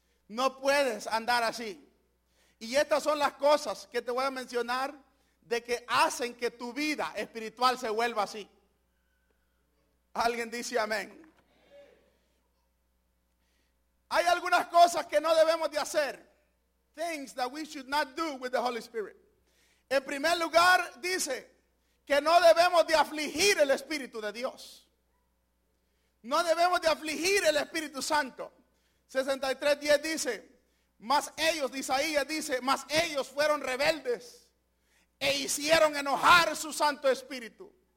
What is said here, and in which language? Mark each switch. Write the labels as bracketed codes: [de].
[es] No puedes andar así. Y estas son las cosas que te voy a mencionar de que hacen que tu vida espiritual se vuelva así. ¿Alguien dice amén? Hay algunas cosas que no debemos de hacer. [en] Things that we should not do with the Holy Spirit. [es] En primer lugar, dice que no debemos de afligir el Espíritu de Dios. No debemos de afligir el Espíritu Santo. 63:10 dice, mas ellos, Isaías dice, mas ellos fueron rebeldes e hicieron enojar su Santo Espíritu.